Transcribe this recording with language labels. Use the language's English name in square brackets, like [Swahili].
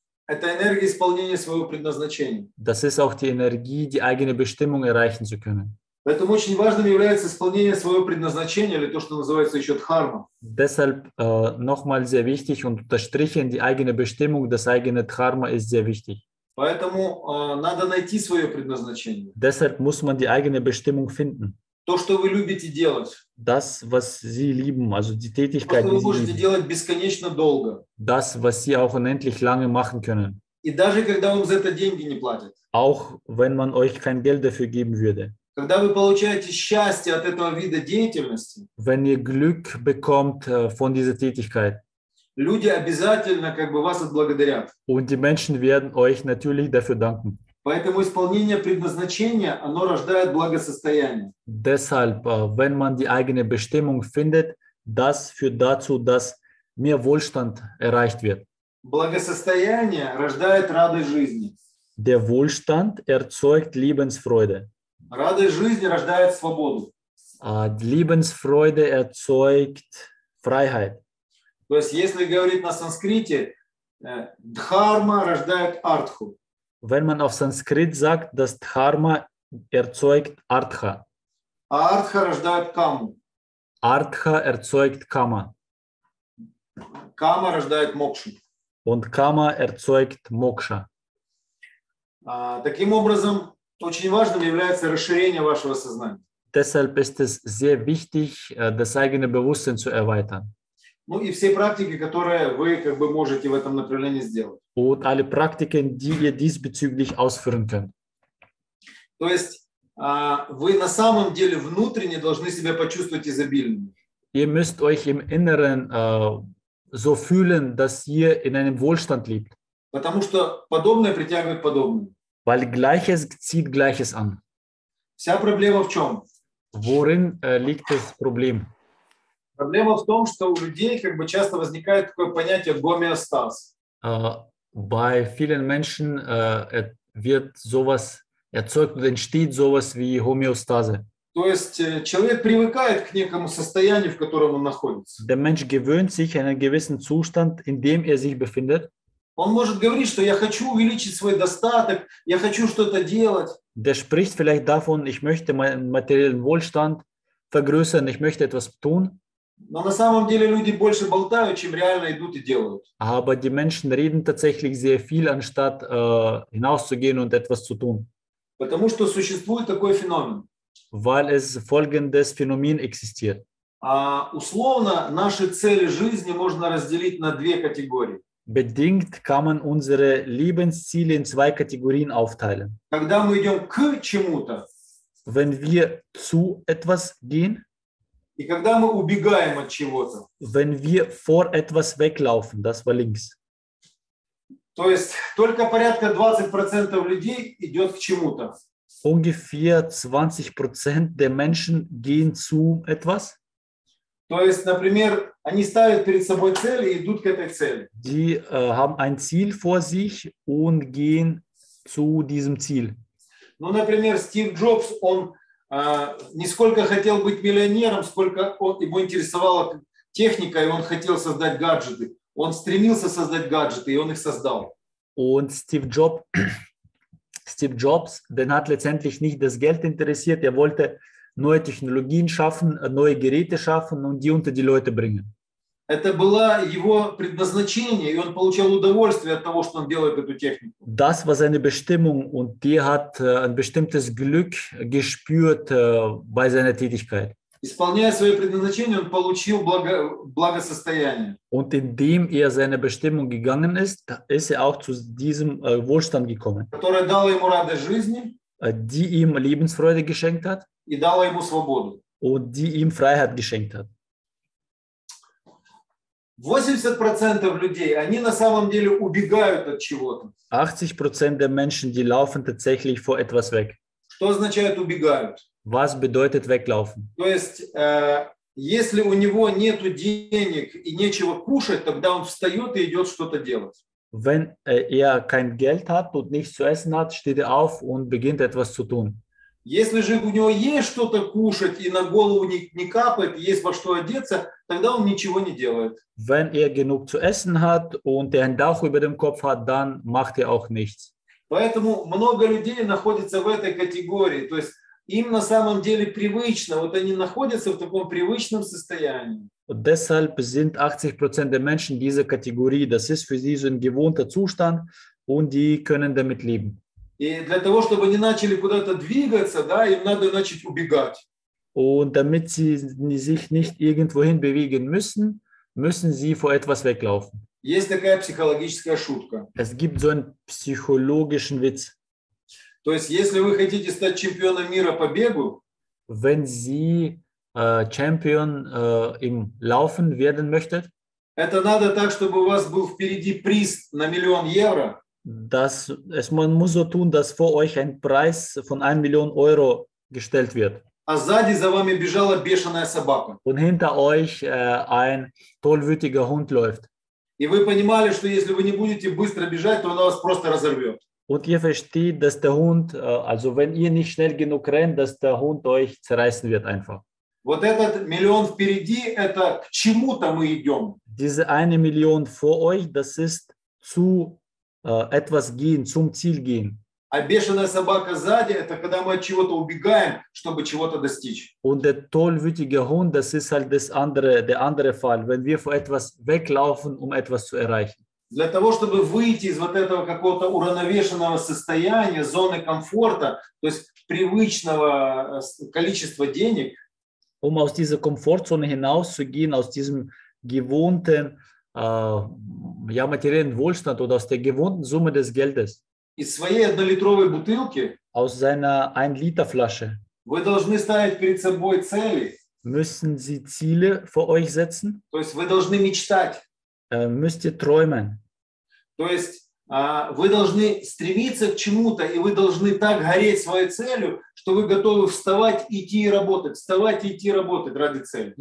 [Russian] Это энергия исполнения своего предназначения. [German] Das ist auch die Energie, die eigene Bestimmung erreichen zu können. [Russian] Поэтому очень важным является исполнение своего предназначения или то, что называется еще дхарма. [German] Deshalb nochmal sehr wichtig und unterstrichen, die eigene Bestimmung, das eigene Dharma ist sehr wichtig. [Russian] Поэтому надо найти свое предназначение. [German] Deshalb muss man die eigene Bestimmung finden. [Russian] То, что вы любите делать. [German] Das, was Sie lieben, also die Tätigkeit, [Russian] то, что вы можете [German] lieben. [Russian] Делать бесконечно долго. [German] Das, was Sie auch unendlich lange machen können. [Russian] И даже когда вам за это деньги не платят. [German] Auch wenn man euch kein Geld dafür geben würde. [Russian] Когда вы получаете счастье от этого вида деятельности, [German] wenn ihr Glück bekommt von dieser Tätigkeit, [Russian] люди обязательно как бы вас отблагодарят. [German] Und die Menschen werden euch natürlich dafür danken. [Russian] Поэтому исполнение предназначения, оно рождает благосостояние. [German] Deshalb, wenn man die eigene Bestimmung findet, das führt dazu, dass mehr Wohlstand erreicht wird. [Russian] Благосостояние рождает радость жизни. [German] Der Wohlstand erzeugt Lebensfreude. [Russian] Радость жизни рождает свободу. [German] Lebensfreude erzeugt Freiheit. [Russian] То есть, если говорить на санскрите, дхарма рождает артху. [German] Wenn man auf Sanskrit sagt, dass Dharma erzeugt Artha. [Russian] Artha рождает Каму. [German] Artha erzeugt Kama. [Russian] Kama рождает Мокшу. [German] Und Kama erzeugt Moksha. [Russian] Таким образом, очень важным является расширение вашего сознания. [German] Deshalb ist es sehr wichtig, das eigene Bewusstsein zu erweitern. [Russian] Ну и все практики, которые вы как бы можете в этом направлении сделать. [German] Und alle Praktiken, die ihr diesbezüglich ausführen könnt. [Russian] То есть вы на самом деле внутренне должны себя почувствовать изобильным. [German] Ihr müsst euch im Inneren so fühlen, dass ihr in einem Wohlstand lebt. [Russian] Потому что подобное притягивает подобное. [German] Weil Gleiches zieht Gleiches an. [Russian] Вся проблема в чем? [German] Worin liegt das Problem? [Russian] Проблема в том, что у людей как бы часто возникает такое понятие гомеостаз. [German] Bei vielen Menschen wird sowas erzeugt und entsteht sowas wie Homöostase. [Russian] То есть человек привыкает к некому состоянию, в котором он находится. [German] Der Mensch gewöhnt sich an einen gewissen Zustand, in dem sich befindet. [Russian] Он может говорить, что я хочу увеличить свой достаток, я хочу что-то делать. [German] Der spricht vielleicht davon, ich möchte meinen materiellen Wohlstand vergrößern, ich möchte etwas tun. [Russian] Но на самом деле люди больше болтают, чем реально идут и делают. [German] Aber die Menschen reden tatsächlich sehr viel, anstatt hinauszugehen und etwas zu tun. [Russian] Потому что существует такой феномен. [German] Weil es folgendes Phänomen existiert. [Russian] Условно наши цели жизни можно разделить на две категории. [German] Bedingt kann man unsere Lebensziele in zwei Kategorien aufteilen. [Russian] Когда мы идем к чему-то. [German] Wenn wir zu etwas gehen. [Russian] И когда мы убегаем от чего-то. [German] Wenn wir vor etwas weglaufen, das war links. [Russian] То есть только порядка 20% людей идет к чему-то. [German] Ungefähr 20% der Menschen gehen zu etwas. [Russian] То есть, например, они ставят перед собой цель и идут к этой цели. [German] Die haben ein Ziel vor sich und gehen zu diesem Ziel. [Russian] Ну, например, Стив Джобс, он не сколько хотел быть миллионером, сколько его интересовала техника, и он хотел создать гаджеты. Он стремился создать гаджеты, и он их создал. [German] Und Steve Jobs, den hat letztendlich nicht das Geld interessiert, er wollte neue Technologien schaffen, neue Geräte schaffen und die unter die Leute bringen. [Russian] Это было его предназначение, и он получал удовольствие от того, что он делает эту технику. [German] Das war seine Bestimmung und der hat ein bestimmtes Glück gespürt bei seiner Tätigkeit. [Russian] Исполняя свое предназначение, он получил благосостояние. [German] Und indem seiner Bestimmung gegangen ist, ist auch zu diesem Wohlstand gekommen. [Russian] Которое дало ему радость жизни. [German] Die ihm Lebensfreude geschenkt hat. [Russian] И дало ему свободу. [German] Und die ihm Freiheit geschenkt hat. [Russian] 80% людей, они на самом деле убегают от чего-то. [German] 80% der Menschen, die laufen tatsächlich vor etwas weg. [Russian] Что означает убегают? [German] Was bedeutet weglaufen? [Russian] То есть, если у него нету денег и нечего кушать, тогда он встает и идет что-то делать. [German] Wenn kein Geld hat und nichts zu essen hat, steht auf und beginnt etwas zu tun. [Russian] Если же у него есть что-то кушать и на голову не капает, есть во что одеться, тогда он ничего не делает. [German] Wenn genug zu essen hat und ein Dach über dem Kopf hat, dann macht auch nichts. [Russian] Поэтому много людей находится в этой категории, то есть им на самом деле привычно, вот они находятся в таком привычном состоянии. [German] Und deshalb sind 80% der Menschen dieser Kategorie, das ist für sie so ein gewohnter Zustand und die können damit leben. [Russian] И для того, чтобы они начали куда-то двигаться, да, им надо начать убегать. [German] Und damit sie sich nicht irgendwohin bewegen müssen, müssen sie vor etwas weglaufen. [Russian] Есть такая психологическая шутка. [German] Es gibt so einen psychologischen Witz. [Russian] То есть, если вы хотите стать чемпионом мира по бегу, [German] wenn Sie Champion im Laufen werden möchtet, [Russian] это надо так, чтобы у вас был впереди приз на миллион евро. [German] Dass es man muss so tun, dass vor euch ein Preis von 1 Million Euro gestellt wird. [Russian] А сзади за вами бежала бешеная собака. [German] Und hinter euch ein tollwütiger Hund läuft. [Russian] И вы понимали, что если вы не будете быстро бежать, то она вас просто разорвет. [German] Und ihr versteht, dass der Hund, also wenn ihr nicht schnell genug rennt, dass der Hund euch zerreißen wird einfach. [Russian] Вот этот миллион впереди, это к чему-то мы идем. [German] Diese eine Million vor euch, das ist zu etwas gehen, zum Ziel gehen. [Russian] А бешеная собака сзади, это когда мы от чего-то убегаем, чтобы чего-то достичь. [German] Und der tollwütige Hund, das ist halt das andere, der andere Fall, wenn wir vor etwas weglaufen, um etwas zu erreichen. [Russian] Для того, чтобы выйти из вот этого какого-то уравновешенного состояния, зоны комфорта, то есть привычного количества денег. [German] Um aus dieser Komfortzone hinauszugehen, aus diesem gewohnten, ja, materiellen Wohlstand oder aus der gewohnten Summe des Geldes. [Russian] Из своей однолитровой бутылки. [German] Aus seiner 1-Liter-Flasche. [Russian] Вы должны ставить перед собой цели. [German] Müssen Sie Ziele vor euch setzen? [Russian] То есть вы должны мечтать. [German] Müsst ihr träumen. [Russian] То есть вы должны стремиться к чему-то, и вы должны так гореть своей целью, что вы готовы вставать, идти и работать, вставать, идти и работать ради цели.